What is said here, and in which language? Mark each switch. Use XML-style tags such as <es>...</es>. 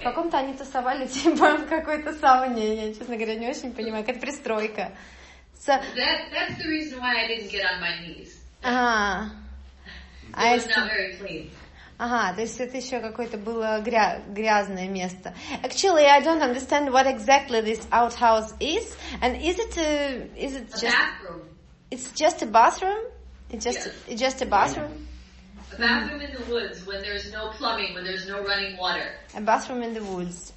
<ru>В каком-то они тусовали, типа, в какой-то сауне. Я, честно говоря, не очень понимаю. Какая-то пристройка.</ru> <en>So, that's the reason why I didn't get on my knees. Uh-huh. It was not very clean.</en> <ru>Ага, то есть это еще какое-то было грязное место.</ru> <en>Actually, I don't understand what exactly this outhouse is. And is it just... A bathroom. It's just a bathroom? It's just, yes. It's just a bathroom? A bathroom in the woods when there's no plumbing, when there's no running water. A bathroom in the woods.</en>